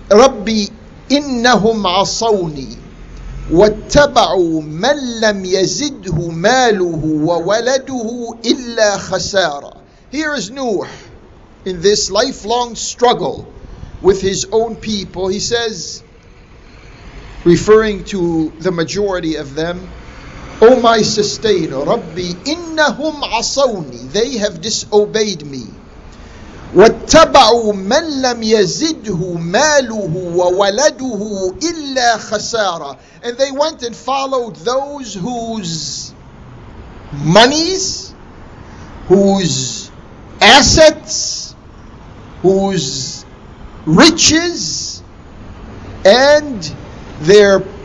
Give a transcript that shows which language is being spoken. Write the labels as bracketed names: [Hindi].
[Arabic] Rabbi innahum asawni واتبعوا من لم يزده ماله وولده إلا خسارة. [English] Here is Nuh in this lifelong struggle with his own people. He says, referring to the majority of them, O my sustainer, Rabbi, [Arabic] إنهم عصوني, [English] they have disobeyed me. [Arabic] واتبعوا من لم يزده ماله وولده إلا خسارة. [English] And they went and followed those whose monies, whose assets, whose riches, and their